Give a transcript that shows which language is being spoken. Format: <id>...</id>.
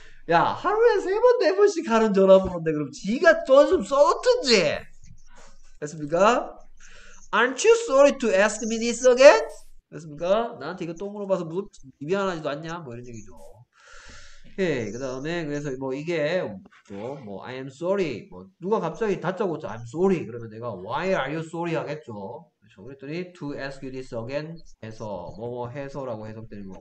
<ko>야, 하루에 세 번, 네 번씩 하는 전화번호인데, 그럼 지가 돈좀 써놓든지! 됐습니까?</ko> <en>Aren't you sorry to ask me this again?</en> <ko>됐습니까? 나한테 이거 또 물어봐서 무슨 미안하지도 않냐? 뭐 이런 얘기죠. 오케이. 그 다음에, 그래서 뭐 이게, 뭐,</ko> <en>I am sorry.</en> <ko>뭐, 누가 갑자기 다짜고짜</ko> <en>I'm sorry.</en> <ko>그러면 내가</ko> <en>Why are you sorry</en> <ko>하겠죠. 그랬더니</ko> <en>To ask you this again</en> <ko>해서, 뭐뭐 해서라고 해석되는 거.</ko>